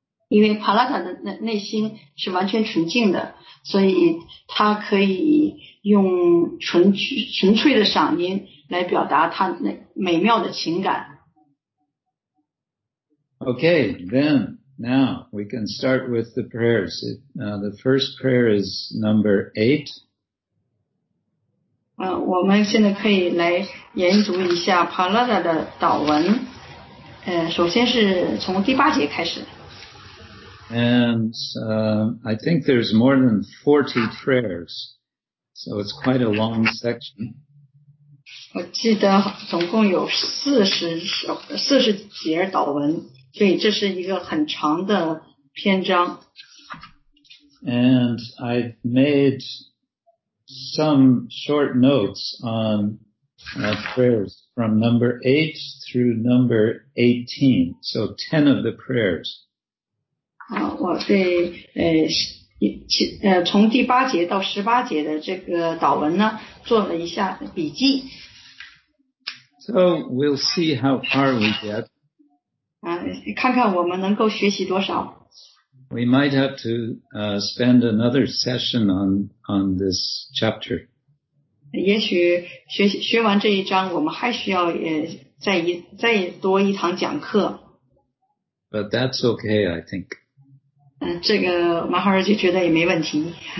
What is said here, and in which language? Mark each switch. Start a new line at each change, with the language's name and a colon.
Chinese: 因为帕拉达的内心是完全纯净的，所以他可以用纯粹的嗓音来表达他那美妙的情感。
English: Okay, then now we can start with the prayers. The first prayer is number 8.
Chinese: 我们现在可以来研读一下帕拉达的祷文。首先是从第八节开始。
English: And I think there's more than 40 prayers, so it's quite a long section.
Chinese: 我记得总共有40节祷文，所以这是一个很长的篇章。
English: And I've made some short notes on prayers from number 8 through number 18, so 10 of the prayers.
Chinese: 我对从第八节到十八节的这个祷文呢做了一下笔记。
English: So we'll see how far we get.
Chinese: 看看我们能够学习多少。
English: We might have to spend another session on this chapter.
Chinese: 也许学完这一章我们还需要再多一堂讲课。
English: But that's okay, I think.
Chinese: 这个马哈尔就觉得也没问题。